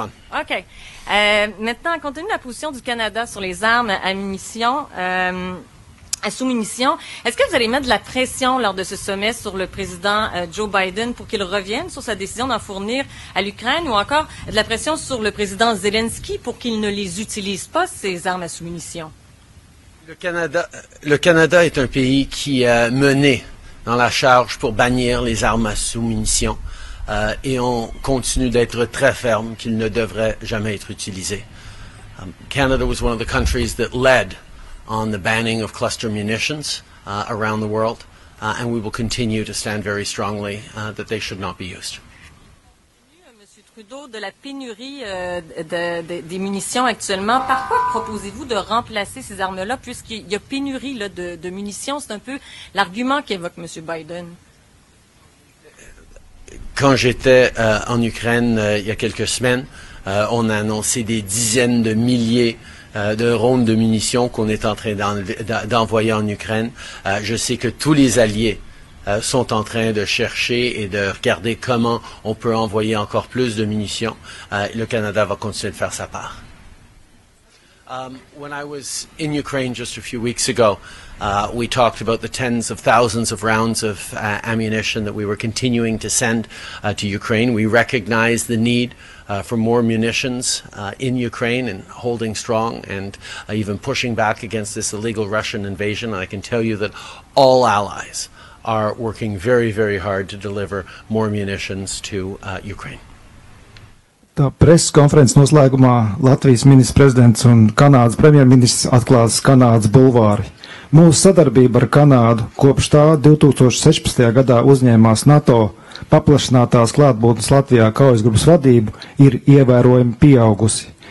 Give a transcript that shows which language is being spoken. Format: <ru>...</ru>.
<fr>Maintenant, compte tenu de la position du Canada sur les armes à munitions, à sous-munitions, est-ce que vous allez mettre de la pression lors de ce sommet sur le président Joe Biden pour qu'il revienne sur sa décision d'en fournir à l'Ukraine ou encore de la pression sur le président Zelensky pour qu'il ne les utilise pas, ces armes à sous-munitions? Le Canada est un pays qui a mené dans la charge pour bannir les armes à sous-munitions. Et on continue d'être très ferme qu'il ne devrait jamais être utilisé.</fr> <en>Canada was one of the countries that led on the banning of cluster munitions around the world, and we will continue to stand very strongly that they should not be used.</en> <fr>Monsieur Trudeau, de la pénurie des munitions actuellement, par quoi proposez-vous de remplacer ces armes-là, puisqu'il y a pénurie là, de munitions? C'est un peu l'argument qu'évoque Monsieur Biden. Quand j'étais en Ukraine il y a quelques semaines, on a annoncé des dizaines de milliers de rondes de munitions qu'on est en train d'envoyer en Ukraine. Je sais que tous les alliés sont en train de chercher et de regarder comment on peut envoyer encore plus de munitions. Le Canada va continuer de faire sa part.</fr> <en>When I was in Ukraine just a few weeks ago, we talked about the tens of thousands of rounds of ammunition that we were continuing to send to Ukraine. We recognize the need for more munitions in Ukraine and holding strong and even pushing back against this illegal Russian invasion. And I can tell you that all allies are working very, very hard to deliver more munitions to Ukraine.</en> <lv>Tā preses konferences noslēgumā Latvijas ministra prezidents un Kanādas premjerministrs atklās Kanādas bulvāri. Mūsu sadarbība ar Kanādu kopš tā 2016. Gadā uzņēmās NATO paplašinātās klātbūtnes Latvijā kaujasgrupas vadību ir ievērojami pieaugusi.</lv>